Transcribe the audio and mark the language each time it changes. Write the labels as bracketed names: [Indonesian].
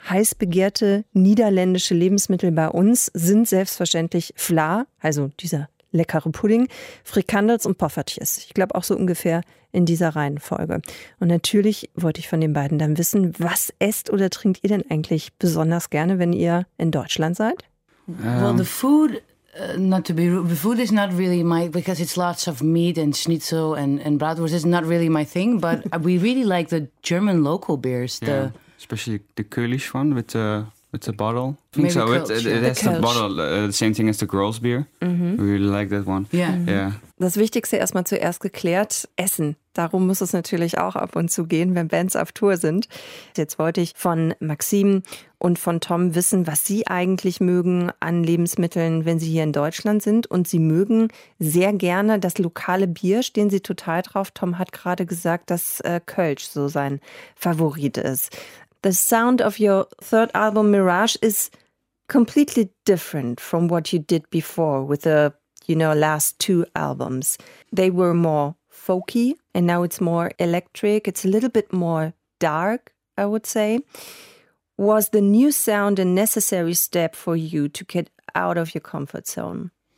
[German] Heiß begehrte niederländische Lebensmittel bei uns sind selbstverständlich Vla, also dieser leckere Pudding, Frikandels und Poffertjes. Ich glaube auch so ungefähr in dieser Reihenfolge. Und natürlich wollte ich von den beiden dann wissen, was esst oder trinkt ihr denn eigentlich besonders gerne, wenn ihr in Deutschland seid? [English] Well, the food. Not to be rude, food is not really my, because it's lots of meat and schnitzel and bratwurst, it's not really my thing, but we really like the German local beers. Yeah, especially the Kölsch one with the bottle. I think maybe so, Kölsch, it has the bottle, the same thing as the Grolsch beer. Mm-hmm. We really like that one. Yeah. Mm-hmm. Yeah. [German] Das Wichtigste erstmal zuerst geklärt, Essen. Darum muss es natürlich auch ab und zu gehen, wenn Bands auf Tour sind. Jetzt wollte ich von Maxime und von Tom wissen, was sie eigentlich mögen an Lebensmitteln, wenn sie hier in Deutschland sind. Und sie mögen sehr gerne das lokale Bier, stehen sie total drauf. Tom hat gerade gesagt, dass Kölsch so sein Favorit ist. [English] The sound of your third album Mirage is completely different from what you did before with the, you know, last two albums. They were more folky and now it's more electric. It's a little bit more dark, I would say. Was the new sound a necessary step for you to get out of your comfort zone?